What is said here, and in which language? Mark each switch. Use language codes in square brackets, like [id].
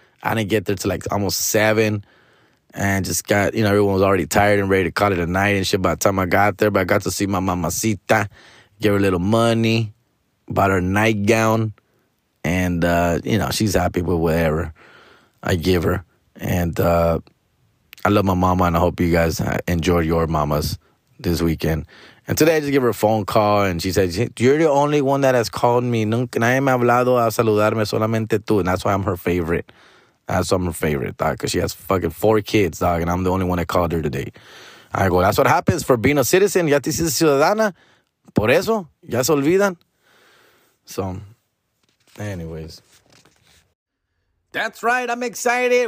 [en] I didn't get there till like almost 7, and just got, you know, everyone was already tired and ready to call it a night and shit by the time I got there. But I got to see my mamacita, give her a little money, bought her a nightgown, and you know, she's happy with whatever I give her. And I love my mama, and I hope you guys enjoyed your mamas this weekend. And today I just gave her a phone call, and she said, you're the only one that has called me. [es] Nunca nadie me ha hablado a saludarme, solamente tú. [en] And that's why I'm her favorite. That's why I'm her favorite, dog, because she has fucking 4 kids, dog, and I'm the only one that called her today. I go, that's what happens for being a citizen. [es] Ya te hiciste ciudadana. Por eso, ya se olvidan. [en] So, anyways. That's right. I'm excited.